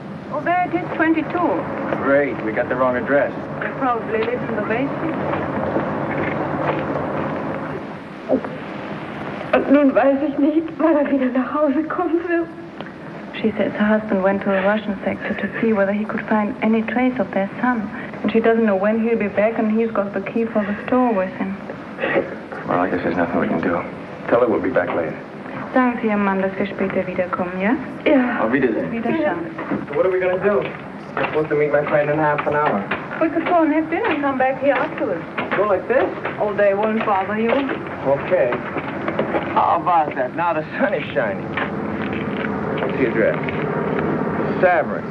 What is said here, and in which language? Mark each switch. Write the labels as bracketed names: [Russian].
[English] Oh, there it is, 22. Great, we got the wrong address. They probably live in the basement. [German] Und nun weiß ich nicht, wann wieder nach Hause kommen will. [English] She says her husband went to a Russian sector to see whether he could find any trace of their son. And she doesn't know when he'll be back, and he's got the key for the store with him. Well, I guess there's nothing we can do. Tell her we'll be back later. [German] Sagen Sie Ihrem Mann, dass wir später wiederkommen, ja? Ja. Auf Wiedersehen. Auf Wiedersehen. [English] So what are we going to do? We're supposed to meet my friend in half an hour. We could go and have dinner and come back here afterwards. Go like this? Oh, they won't bother you. Okay. How about that? Now the sun is shining. What's the address? Saverin.